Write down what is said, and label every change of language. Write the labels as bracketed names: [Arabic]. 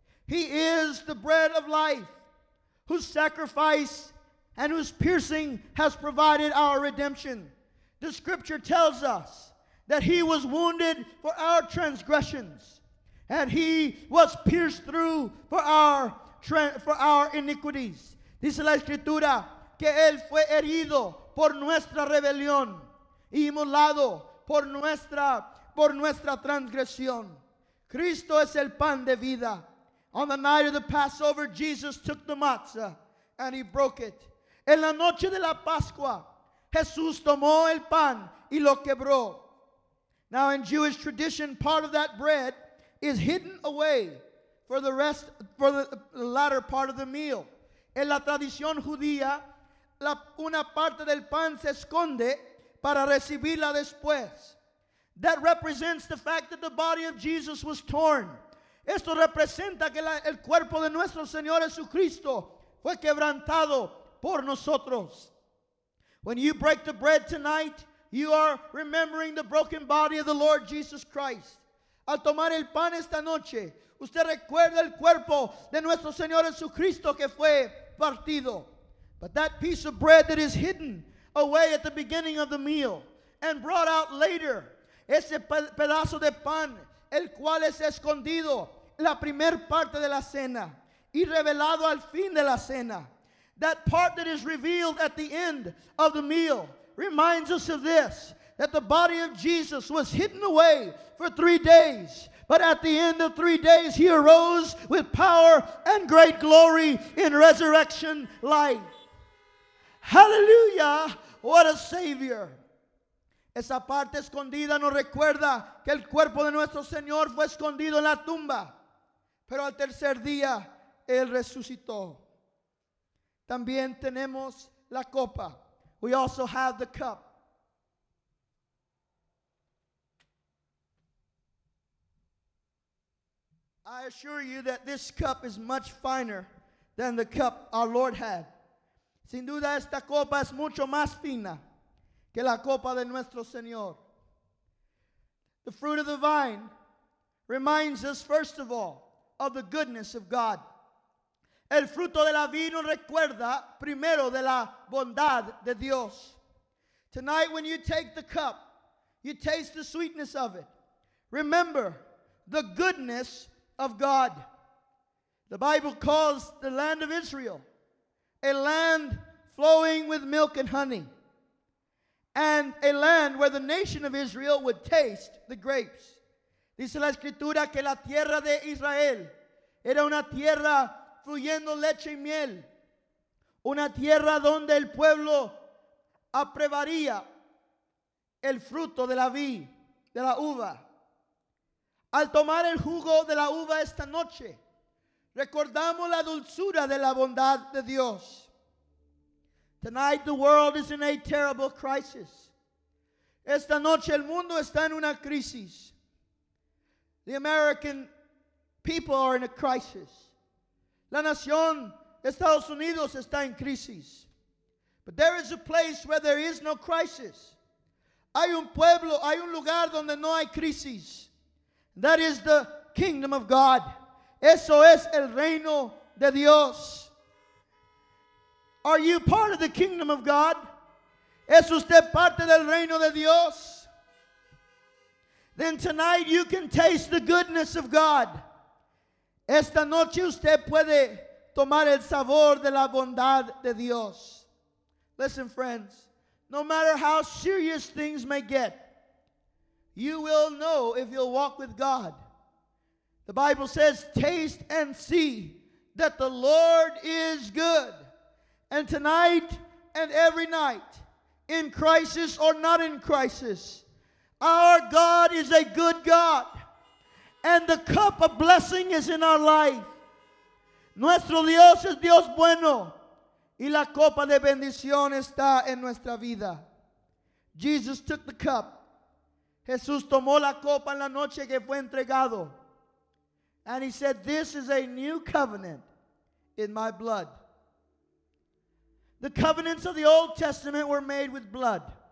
[English] He is the bread of life, whose sacrifice and whose piercing has provided our redemption. The scripture tells us that he was wounded for our transgressions, and he was pierced through for our iniquities. [Spanish] Dice la escritura que él fue herido por nuestra rebelión y molado por nuestra transgresión. Cristo es el pan de vida. [English] On the night of the Passover, Jesus took the matzah and he broke it. [Spanish] En la noche de la Pascua, Jesús tomó el pan y lo quebró. [English] Now in Jewish tradition, part of that bread is hidden away for the latter part of the meal. [Spanish] En la tradición judía, una parte del pan se esconde para recibirla después. [English] That represents the fact that the body of Jesus was torn. [Spanish] Esto representa que el cuerpo de nuestro Señor Jesucristo fue quebrantado por nosotros. [English] When you break the bread tonight, you are remembering the broken body of the Lord Jesus Christ. [Spanish] Al tomar el pan esta noche, usted recuerda el cuerpo de nuestro Señor Jesucristo que fue partido. [English] But that piece of bread that is hidden away at the beginning of the meal and brought out later, [Spanish] ese pedazo de pan, el cual es escondido la primer parte de la cena y revelado al fin de la cena, [English] that part that is revealed at the end of the meal reminds us of this, that the body of Jesus was hidden away for 3 days, but at the end of 3 days he arose with power and great glory in resurrection life. Hallelujah! What a Savior! [Spanish] Esa parte escondida nos recuerda que el cuerpo de nuestro Señor fue escondido en la tumba, pero al tercer día él resucitó. También tenemos la copa. [English] We also have the cup. I assure you that this cup is much finer than the cup our Lord had. [Spanish] Sin duda esta copa es mucho más fina que la copa de nuestro Señor. [English] The fruit of the vine reminds us, first of all, of the goodness of God. [Spanish] El fruto de la vid nos recuerda primero de la bondad de Dios. [English] Tonight when you take the cup, you taste the sweetness of it. Remember the goodness of God. The Bible calls the land of Israel a land flowing with milk and honey, and a land where the nation of Israel would taste the grapes. [Spanish] Dice la escritura que la tierra de Israel era una tierra fluyendo leche y miel, una tierra donde el pueblo aprobaría el fruto de la vid, de la uva. Al tomar el jugo de la uva esta noche, recordamos la dulzura de la bondad de Dios. [English] Tonight the world is in a terrible crisis. [Spanish] Esta noche el mundo está en una crisis. [English] The American people are in a crisis. [Spanish] La nación de Estados Unidos está en crisis. [English] But there is a place where there is no crisis. [Spanish] Hay un pueblo, hay un lugar donde no hay crisis. [English] That is the kingdom of God. [Spanish] Eso es el reino de Dios. [English] Are you part of the kingdom of God? [Spanish] ¿Es usted parte del reino de Dios? [English] Then tonight you can taste the goodness of God. [Spanish] Esta noche usted puede tomar el sabor de la bondad de Dios. [English] Listen, friends. No matter how serious things may get, you will know if you'll walk with God. The Bible says, taste and see that the Lord is good. And tonight and every night, in crisis or not in crisis, our God is a good God. And the cup of blessing is in our life. [Spanish] Nuestro Dios es Dios bueno. Y la copa de bendición está en nuestra vida. [English] Jesus took the cup. [Spanish] Jesús tomó la copa en la noche que fue entregado. [English] And he said, this is a new covenant in my blood. The covenants of the Old Testament were made with blood.